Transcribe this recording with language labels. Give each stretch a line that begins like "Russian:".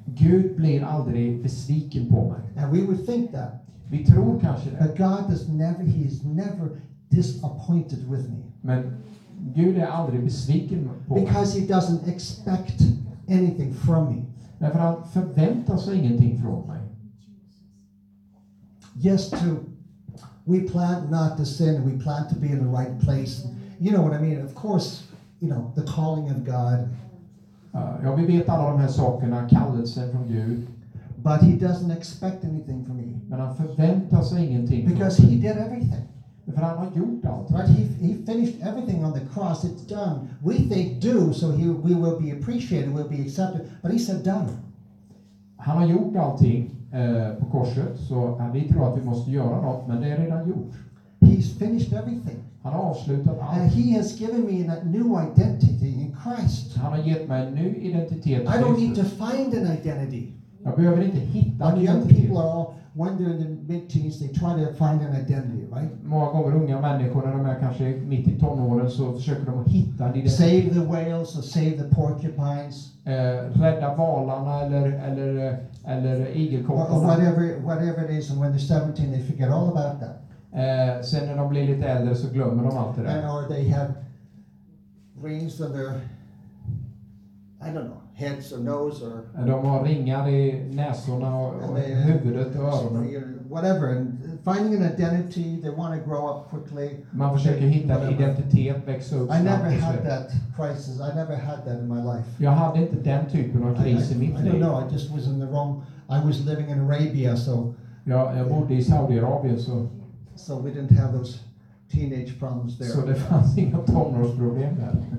Swedish: Gud blir aldrig besviken på mig.
English: And we would think that.
Swedish: Vi tror kanske det.
English: But God is never, he is never disappointed with me.
Swedish: Men Gud är aldrig besviken på mig.
English: Because he doesn't expect anything from me.
Swedish: Därför han förväntar sig ingenting från mig.
English: Yes, to we plan not to sin, we plan to be in the right place. You know what I mean? Of course, you know, the calling of God.
Swedish: Ja, vi vet alla de här sakerna, kallelsen från Gud.
English: But he doesn't expect anything from me.
Swedish: Men han förväntar sig ingenting.
English: Because he did everything.
Swedish: För han har gjort allt.
English: Right? He finished everything on the cross. It's done. We think do, so we will be appreciated, we'll be accepted. But he said done.
Swedish: Han har gjort allting på korset, så vi tror att vi måste göra något, men det är redan gjort.
English: He's finished everything.
Swedish: Han har avslutat allt.
English: He has given me a new identity in Christ.
Swedish: Han har gett mig en ny identitet.
English: I don't need to find an identity.
Swedish: Jag behöver inte hitta en identitet.
English: Young people are all, when they're in the mid-teens, they try to find an identity, right?
Swedish: Många gånger unga människor, när de är kanske mitt i tonåren, så försöker de hitta en identitet.
English: Save the whales or save the porcupines.
Swedish: Rädda valarna eller igelkottarna.
English: Whatever it is, and when they're 17, they forget all about that.
Swedish: Sen när de blir lite äldre så glömmer de allt det där.
English: And or they have rings on their, I don't know, heads or nose or.
Swedish: De har ringar i näsorna och huvudet och öronen.
English: Whatever, and finding an identity, they want to grow up quickly.
Swedish: Man försöker hitta en identitet, växa upp.
English: I never had that crisis. I never had that in my life.
Swedish: Jag hade inte den typen av kris i mitt liv.
English: I don't know. I just was in the wrong. I was living in Arabia, so.
Swedish: Ja, jag bodde i Saudiarabien, så.
English: So we didn't have those teenage problems there.
Swedish: Så det fanns inga tonårsproblem där.